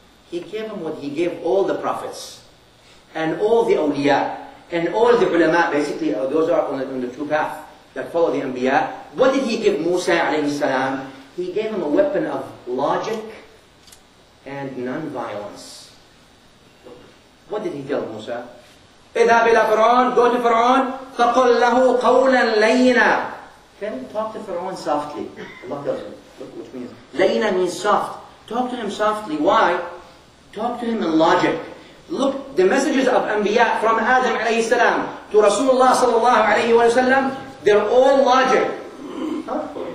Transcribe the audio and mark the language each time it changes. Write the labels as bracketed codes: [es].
[en] He gave him what he gave all the prophets. And all the awliya, and all the ulama, basically those are on the true path that follow the anbiya. What did he give Musa alayhi salam? He gave him a weapon of logic and non-violence. What did he tell Musa? [ar] اذهب إلى فرعون, go to فرعون, فقل له قولا لينا. [en] Can you talk to فرعون softly? Allah does it. Which means, لينا means soft. Talk to him softly. Why? Talk to him in logic. Look, the messages of Anbiya from Adam عليه السلام to Rasulullah صلى الله عليه وسلم, they're all logic. Huh?